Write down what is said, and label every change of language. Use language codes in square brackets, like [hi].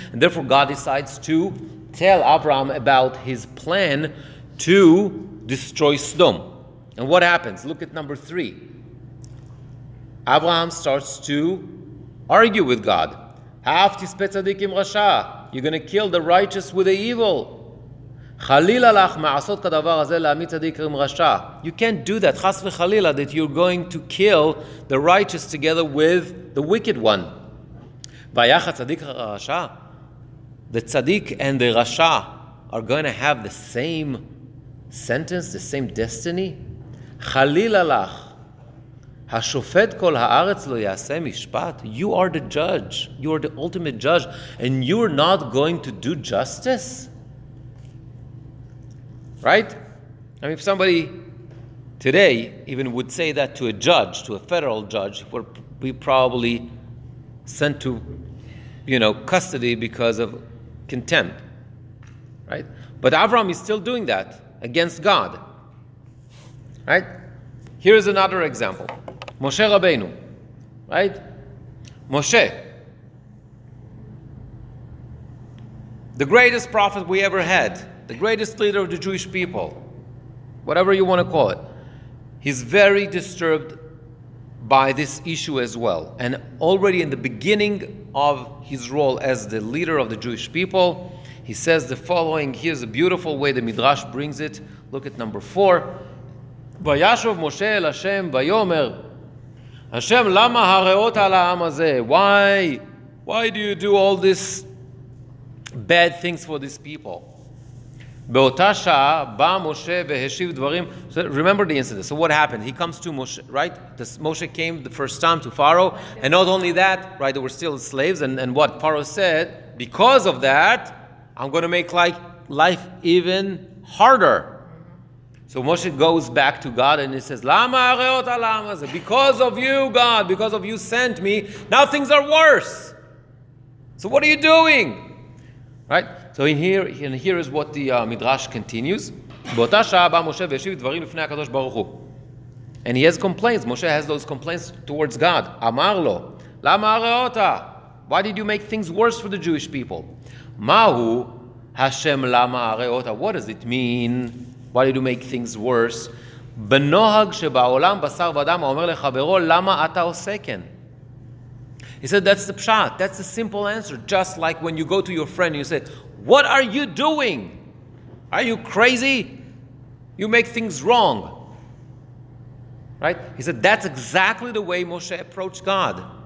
[en] And therefore, God decides to tell Abraham about his plan to destroy Sodom. And what happens? Look at number three. Abraham starts to argue with God. You're going to kill the righteous with the evil. [he] חלילה לך מעשות כדבר הזה להעמיד צדיק עם רשע. [en] You can't do that, [he] חס וחלילה, [en] that you're going to kill the righteous together with the wicked one. [he] ויחד צדיק רשע, [en] the צדיק and the רשע are going to have the same sentence, the same destiny. [he] חלילה לך, השופט כל הארץ לא יעשה משפט. [en] You are the judge, you are the ultimate judge, and you're not going to do justice? Right? I mean, if somebody today even would say that to a judge, to a federal judge, would be probably sent to, you know, custody because of contempt. Right? But Avram is still doing that against God. Right? Here is another example. [he] משה רבנו, [en] right? [he] משה, [en] the greatest prophet we ever had, the greatest leader of the Jewish people, whatever you want to call it, he's very disturbed by this issue as well. And already in the beginning of his role as the leader of the Jewish people, he says the following. Here's a beautiful way the Midrash brings it. Look at number 4. [he] וישוב משה אל השם ויאמר, השם, למה הרעות על העם הזה? [en] Why do you do all these bad things for these people? [he] באותה שעה בא משה והשיב דברים. [en] So remember the incident. So what happened? He comes to Moshe, right? Moshe came the first time to Pharaoh. And not only that, right, they were still slaves. And what Pharaoh said, because of that, I'm going to make like life even harder. So Moshe goes back to God and he says, [he] "Lama areot alam hazeh? [en] Because of you, God, because of you sent me, now things are worse. So what are you doing?" Right? So here is what the Midrash continues. [he] באותה שעה בא משה וישיב דברים לפני הקדוש ברוך הוא. [en] And he has complaints. Moshe has those complaints towards God. [he] אמר לו, "Lama areot? [en] Why did you make things worse for the Jewish people?" [he] מהו השם למה הרעות? [en] What does it mean? Why did you make things worse? [he] בנוהג שבעולם בשר ודם אומר לחברו, למה אתה עושה כן? [en] He said, that's the pshat. That's the simple answer. Just like when you go to your friend and you say, what are you doing? Are you crazy? You make things wrong. Right? He said, that's exactly the way Moshe approached God.